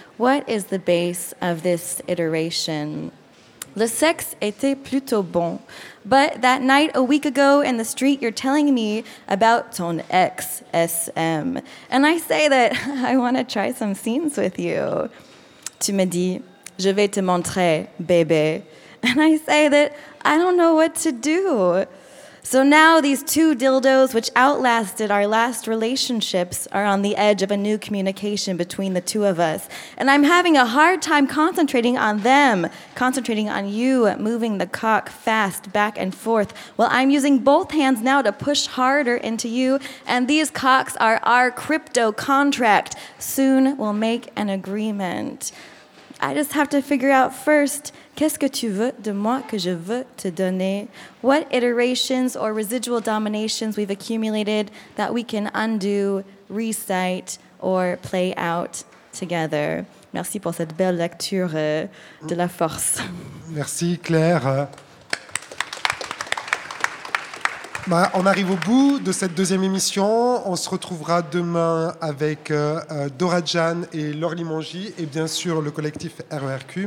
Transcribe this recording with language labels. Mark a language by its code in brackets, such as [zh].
[en] What is the base of this iteration? Le sexe était plutôt bon. But that night a week ago in the street, you're telling me about ton ex, SM. And I say that I want to try some scenes with you. [fr] Tu me dis, je vais te montrer, bébé. [en] And I say that I don't know what to do. So now these two dildos, which outlasted our last relationships, are on the edge of a new communication between the two of us. And I'm having a hard time concentrating on them, concentrating on you moving the cock fast back and forth. Well, I'm using both hands now to push harder into you, and these cocks are our crypto contract. Soon we'll make an agreement. I just have to figure out first, qu'est-ce que tu veux de moi que je veux te donner? What iterations or residual dominations we've accumulated that we can undo, recite, or play out together. [fr] Merci pour cette belle lecture de la force. Merci, Claire. Bah, on arrive au bout de cette deuxième émission. On se retrouvera demain avec Dora Jan et Laure Limongi et bien sûr le collectif RERQ.